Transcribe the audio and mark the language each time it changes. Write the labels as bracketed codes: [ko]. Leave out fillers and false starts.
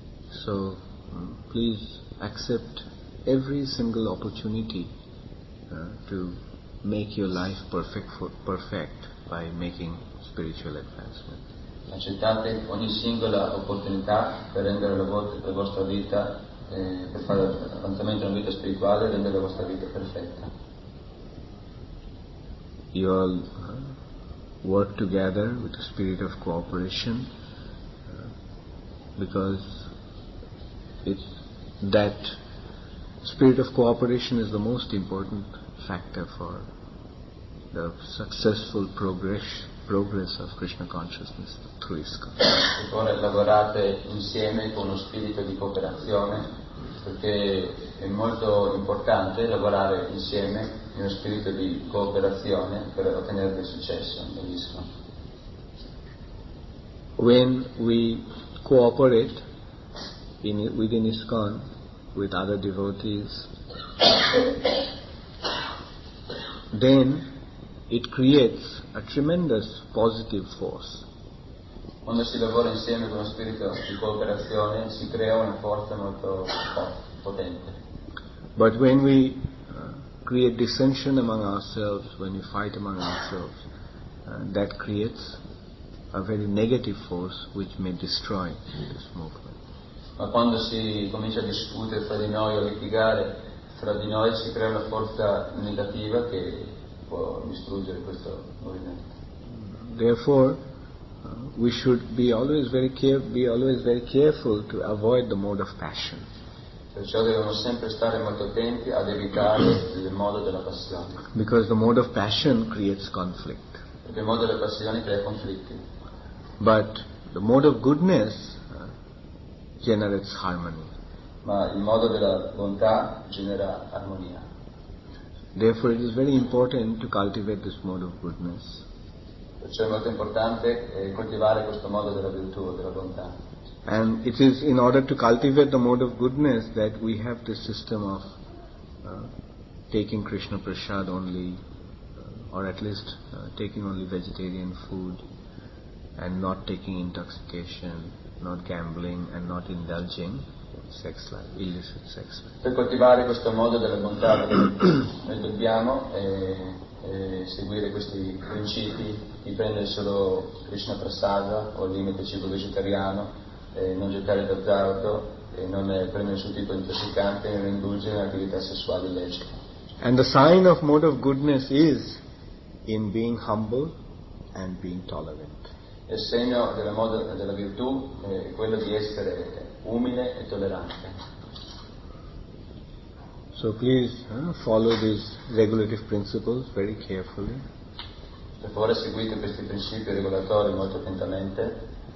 [en] So please accept every single opportunity to make your life perfect by making spiritual advancement. [it] Accettate ogni singola opportunità per rendere la vostra vita per fare avanzamento nella vita spirituale e rendere la vostra vita perfetta. [en] You all work together with the spirit of cooperation because it's that spirit of cooperation is the most important factor for the successful progress of Krishna consciousness through ISKCON. [it] Ora lavorate insieme con lo spirito di cooperazione perché è molto importante lavorare insieme in uno spirito di cooperazione per ottenere del successo nell'ISKCON. [en] When we cooperate within ISKCON with other devotees, then it creates a tremendous positive force. [it] Quando si lavora insieme con uno spirito di cooperazione si crea una forza molto potente. [en] But when we create dissension among ourselves, when we fight among ourselves, that creates a very negative force which may destroy this movement. [it] Ma quando si comincia a discutere fra di noi o a litigare fra di noi si crea una forza negativa che può distruggere questo movimento. [en] Therefore, we should be always very careful to avoid the mode of passion. [it] Perciò dobbiamo sempre stare molto attenti ad evitare il modo della passione. [en] Because the mode of passion creates conflict. [it] Perché il modo della passione crea conflitti. [en] But the mode of goodness generates harmony. [it] Ma il modo della bontà genera armonia. [en] Therefore, it is very important to cultivate this mode of goodness. [it] Perciò è molto importante coltivare questo modo della virtù, della bontà. [en] And it is in order to cultivate the mode of goodness that we have this system of taking Krishna prasad only, or at least taking only vegetarian food, and not taking intoxication, not gambling and not indulging sex life, illicit sex life. [it] Per coltivare questo modo della bontà noi dobbiamo seguire questi principi di prendere solo Krishna Prasada o il limite cibo vegetariano, non giocare d'azzardo e non prendere nessun tipo di intossicante né indulgere in attività sessuali illecite. [en] And the sign of mode of goodness is in being humble and being tolerant. [it] Il segno della moda della virtù è quello di essere umile e tollerante. [en] So please follow these regulative principles very carefully. [it] Per favore seguite questi principi regolatori molto attentamente.